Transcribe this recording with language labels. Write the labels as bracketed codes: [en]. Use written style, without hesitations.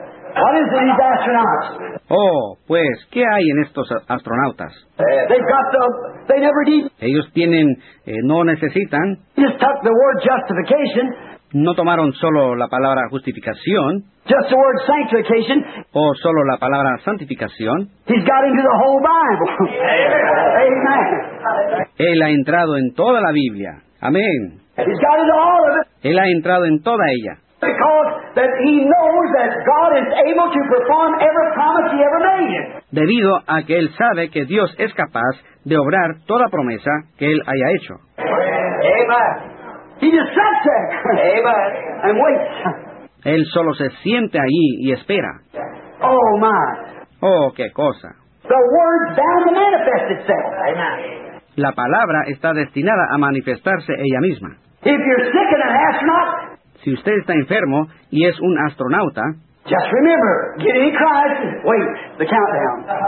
[en] What is in these astronauts? [es] Oh, pues, ¿qué hay en estos astronautas? [en] They've got the, they never need. [es] Ellos tienen, no necesitan. [en] Just took the word justification. [es] No tomaron solo la palabra justificación. [en] Just the word sanctification. [es] O solo la palabra santificación. [en] He's got into the whole Bible. Amen. [es] Él ha entrado en toda la Biblia. Amén. [en] He's got into all of it. [es] Él ha entrado en toda ella. [en] Because that he knows. knows that God is able to perform every promise he ever made. [es] Debido a que él sabe que Dios es capaz de obrar toda promesa que él haya hecho. [en] Amen. He just sat there. Amen. And waits. [es] Él solo se siente allí y espera. [en] Oh, my. [es] Oh, qué cosa. [en] The word bound to manifest itself. [es] La palabra está destinada a manifestarse ella misma. [en] If you're sick and an astronaut, [es] si usted está enfermo y es un astronauta, [en] just remember, get in Christ and wait the countdown.